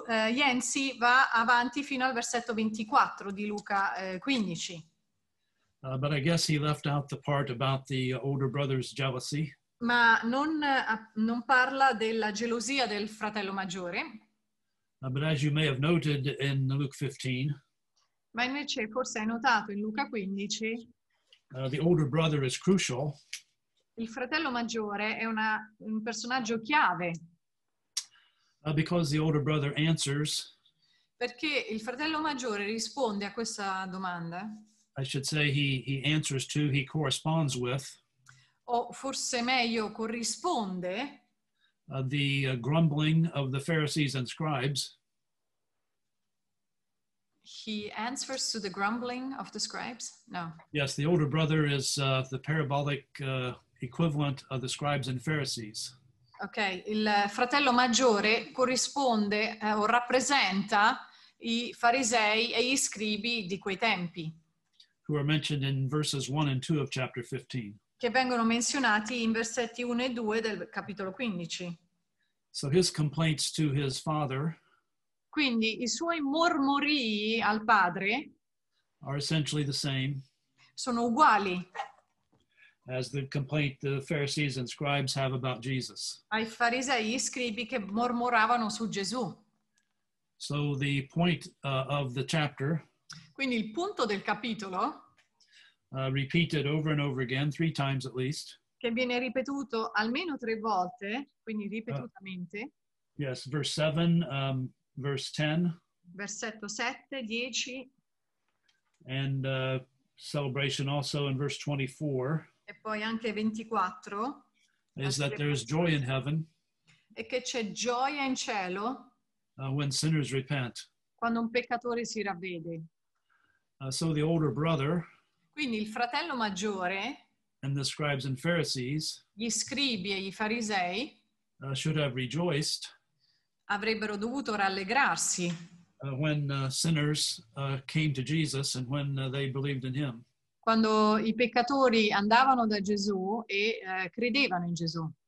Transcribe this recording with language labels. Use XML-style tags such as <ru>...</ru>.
<it>Yancey va avanti fino al versetto 24 di Luca 15.</it> <en>But I guess he left out the part about the older brother's jealousy.</en> <it>Ma non parla della gelosia del fratello maggiore.</it> <en>But as you may have noted in Luke 15.</en> <it>Ma invece forse hai notato in Luca 15.</it> <en>The older brother is crucial.</en> <it>Il fratello maggiore è un personaggio chiave.</it> <en>Because the older brother answers.</en> <it>Perché il fratello maggiore risponde a questa domanda.</it> <en>I should say he answers to, he corresponds with.</en> <it>O forse meglio corrisponde.</it> <en>The grumbling of the Pharisees and scribes. He answers to the grumbling of the scribes? No. Yes, the older brother is the parabolic equivalent of the scribes and Pharisees.</en> <it>Okay, il fratello maggiore corrisponde o rappresenta i farisei e gli scribi di quei tempi.</it> <en>Who are mentioned in verses 1 and 2 of chapter 15.</en> <it>Che vengono menzionati in versetti 1 e 2 del capitolo 15.</it> <en>So his complaints to his father.</en> <it>Quindi i suoi mormorii al padre.</it> <en>Are essentially the same.</en> <it>Sono uguali.</it> <en>As the complaint the Pharisees and scribes have about Jesus.</en> <it>Ai farisei e scribi che mormoravano su Gesù.</it> <en>So the point of the chapter.</en> <it>Quindi il punto del capitolo,</it> <en>repeated over and over again, three times at least,</en> <it>che viene ripetuto almeno tre volte, quindi ripetutamente.</it> <en>Yes, verse 7, verse 10.</en> <it>Versetto 7, 10.</it> <en>And celebration also in verse 24.</en> <it>E poi anche 24.</it> <en>Is that there is joy in heaven.</en> <it>E che c'è gioia in cielo.</it> <en>When sinners repent.</en> <it>Quando un peccatore si ravvede.</it> <en>So the older brother,</en> <it>quindi il fratello maggiore,</it> <en>and the scribes and Pharisees,</en> <it>gli scribi e i farisei,</it> <en>should have rejoiced,</en> <it>avrebbero dovuto rallegrarsi,</it> <en>when sinners came to Jesus and when they believed in him,</en> <it>quando i peccatori andavano da Gesù e credevano in Gesù,</it>